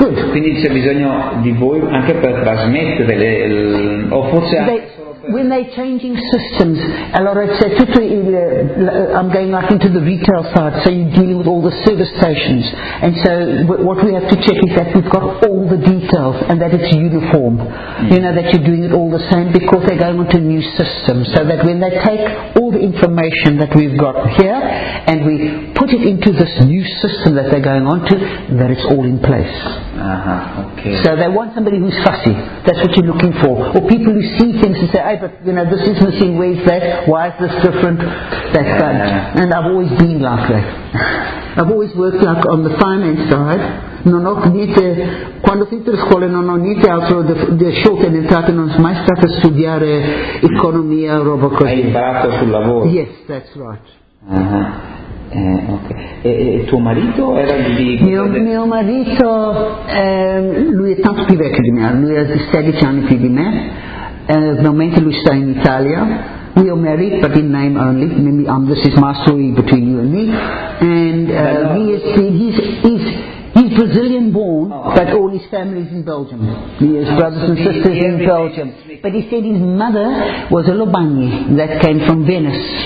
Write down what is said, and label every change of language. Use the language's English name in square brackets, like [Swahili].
[Italian] Quindi c'è bisogno di voi anche per trasmettere, o forse anche. [English] When they're changing systems, [Italian] allora c'è tutto il, [English] I'm going like into the retail side, so you're dealing with all the service stations, and so what we have to check is that we've got all the details and that it's uniform, you know, that you're doing it all the same, because they're going onto a new system, so that when they take all the information that we've got here and we put it into this new system that they're going onto, that it's all in place. So they want somebody who's fussy, that's what you're looking for, or people who see things and say, hey, but you know, this is missing, where's that, why is this different, that's that. And I've always been like that. I've always worked like on the finance side. [Italian] Non ho niente, quando ho finito la scuola non ho niente altro di scelta, in entrata non sono mai stata a studiare economia o roba così. Hai imparato sul lavoro? [English] Yes, that's right. [Italian] E tuo marito era di... Mio marito, lui è tanto più vecchio di me, lui ha 16 anni più di me. Normalmente lui sta in Italia. [English] We are married, but in name only. This is my story between you and me. He's Brazilian born, but all his family is in Belgium. He has brothers and sisters in Belgium. But he said his mother was a Lobanie that came from Venice.